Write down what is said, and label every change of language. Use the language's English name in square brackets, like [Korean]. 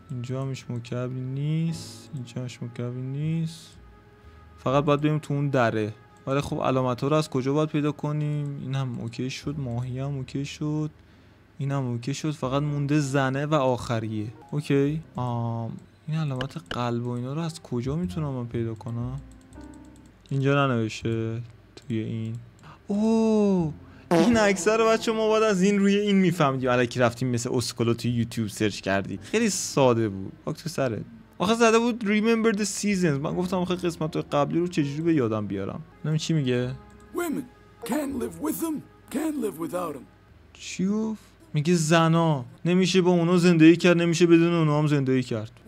[Persian] همش مکعبی نیست اینجا همش مکعبی نیست فقط باید بریم تو اون دره ولی خب علامت ها رو از کجا باید پیدا کنیم این هم اوکی شد ماهی هم اوکی شد این هم اوکی شد فقط مونده زنه و آخریه اوکی این علامت قلب و اینا رو از کجا میتونم من پیدا کنم اینجا ننوشه توی این این اکثر بچه ما باید از این روی این میفهمیدیم الکی رفتیم مثل اسکلو توی یوتیوب سرچ کردی. خیلی ساده بود. باک تو سرت. آخه زده بود [English] remember the seasons. [Persian] من گفتم آخه قسمت قبلی رو چجوری به یادم بیارم. نمی چی میگه؟ [English] Women can live with them, can live without them. [Persian] چی گفت؟ میگه زنا نمیشه با اونا زندگی کرد، نمیشه بدون اونا هم زندگی کرد.